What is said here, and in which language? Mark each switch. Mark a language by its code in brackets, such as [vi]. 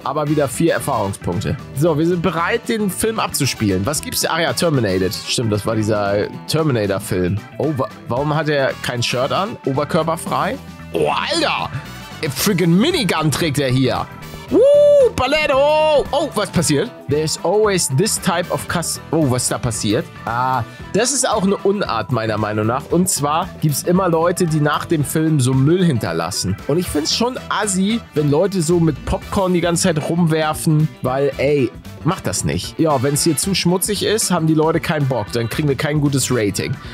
[de] Aber wieder 4 Erfahrungspunkte. So, wir sind bereit, den Film abzuspielen. Was gibt's da? Ah ja, Terminated. Stimmt, das war dieser Terminator-Film. Oh, warum hat er kein Shirt an? Oberkörperfrei? Oh, Alter! [en] A freaking [de] Minigun trägt er hier. Paletto! Oh, was passiert? [en] There's always this type of cus. [de] Oh, was ist da passiert? Ah, das ist auch eine Unart, meiner Meinung nach. Und zwar gibt es immer Leute, die nach dem Film so Müll hinterlassen. Und ich finde es schon assi, wenn Leute so mit Popcorn die ganze Zeit rumwerfen, weil, ey, mach das nicht. Ja, wenn es hier zu schmutzig ist, haben die Leute keinen Bock. Dann kriegen wir kein gutes Rating.